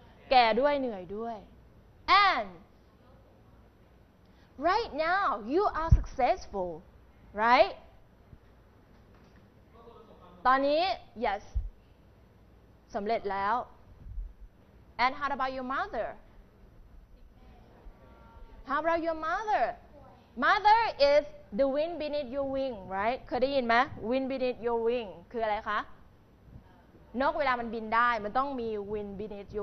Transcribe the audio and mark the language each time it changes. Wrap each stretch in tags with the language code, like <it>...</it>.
<th>แก่ด้วย เหนื่อยด้วย</th> <en>And right now, you are successful, right? ตอนนี้ yes,</en> <th>สำเร็จแล้ว</th> <en>And how about your mother? How about your mother? Mother is the wind beneath your wing, right?</en> <th>เคยได้ยินไหม?</th> <en>Wind beneath your wing</en> <th>คืออะไรคะ? นกเวลามันบินได้มันต้องมี</th> <en>wind beneath your wing</en>